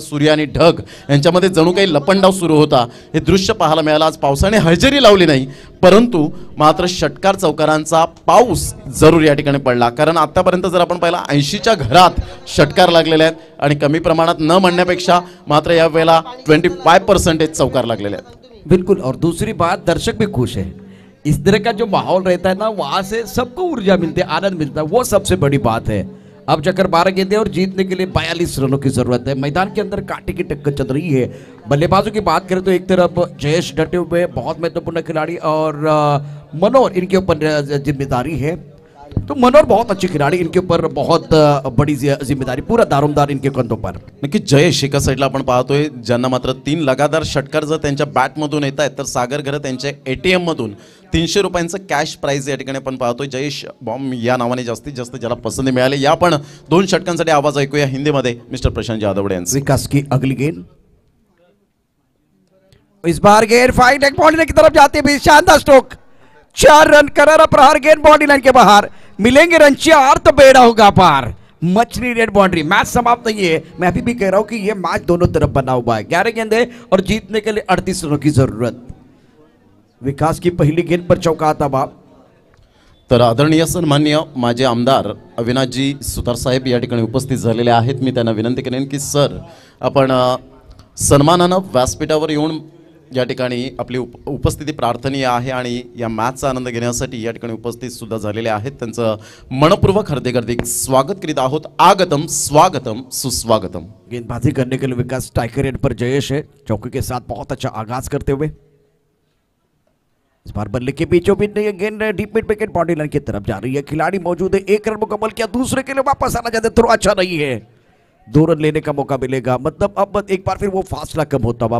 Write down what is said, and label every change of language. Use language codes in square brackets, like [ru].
[mr] सूर्य आणि ढग यांच्यामध्ये जणू काही लपंडाव सुरू होता हे दृश्य पाहायला मिळालं। आज पावसाने हजेरी लावली नाही परंतु मात्र षटकार चौकारांचा पाऊस जरूर या ठिकाणी पडला। कारण आतापर्यंत जर आपण पाहिला 80 घरात षटकार लागलेले आहेत आणि कमी प्रमाणात न म्हणण्यापेक्षा मात्र या वेळेला 25% चौकार लागलेले आहेत। बिलकुल। [hi] और दुसरी बात दर्शक भी खुश है इस तरह का जो माहौल रहता है ना वहां से सबको ऊर्जा मिलती है आनंद मिलता है वो सबसे बड़ी बात है। अब जाकर 12 गेंदे और जीतने के लिए 42 रनों की जरूरत है। मैदान के अंदर कांटे की टक्कर चल रही है। बल्लेबाजों की बात करें तो एक तरफ जयेश डटे हुए बहुत महत्वपूर्ण खिलाड़ी और मनोर इनके ऊपर जिम्मेदारी है। तो मनोर बहुत अच्छे खिलाड़ी, इनके ऊपर बहुत बड़ी जिम्मेदारी, पूरा दारोमदार इनके कंधों पर। [mr] नक्की जयेश एका साइडला आपण पाहतोय ज्यांना मात्र 3 लगातार षटकार जर त्यांच्या बॅटमधून येत आहेत, तर सागर घर त्यांच्या ATM मधून 300 रुपयांचं कॅश प्राईज या ठिकाणी आपण पाहतोय। जयेश बॉम्ब या नावाने जास्तीत जास्त ज्याला पसंती मिळाली, या आपण 2 षटकांसाठी आवाज ऐकूया हिंदीमध्ये मिस्टर प्रशांत जाधवड यांचा। [hi] विकास की अगली गेंद, इस बार गेंद फाइन लेग बॉडी लाइन की तरफ जाती है, शानदार स्ट्रोक, 4 रन करारा प्रहार, गेंद बॉडी लाइन के बाहर, मिलेंगे रन चार तो बेड़ा होगा पार, मछली रेड बाउंड्री। मैच समाप्त नहीं है, मैं अभी भी कह रहा हूं कि यह मैच दोनों तरफ बना हुआ है। 11 गेंदे और जीतने के लिए 38 रनों की जरूरत। विकास की पहली गेंद पर चौका आता बाप। [mr] तर आदरणीय सन्माननीय माझे आमदार अविनाश जी सुतार साहेब या ठिकाणी उपस्थित झालेले आहेत, मी त्यांना विनंती करेन की सर आपण सन्मानाने व्यासपीठावर येऊन या ठिकाणी आपली उपस्थिती प्रार्थनीय आहे आणि या मॅचचा आनंद घेण्यासाठी या ठिकाणी उपस्थित सुद्धा झालेले आहेत, त्यांचं मनपूर्वक हार्दिक स्वागत करीत आहोत। आगतम स्वागतम सुस्वागतम। [hi] गेंदबाजी करने के लिए विकास टाइकरेट पर जयेश है, चौकी के साथ बहुत अच्छा आगाज करते हुए। इस बार बल्ले के बीचों बीच गेंद deep mid wicket boundary line की तरफ जा रही है, खिलाड़ी मौजूद है, 1 रन मुकम्मल किया, दूसरे के लिए वापस आना चाहते, थोड़ा अच्छा नहीं है, 2 रन लेने का मौका मिलेगा, मतलब अब एक बार फिर वो फासला कम होता हुआ।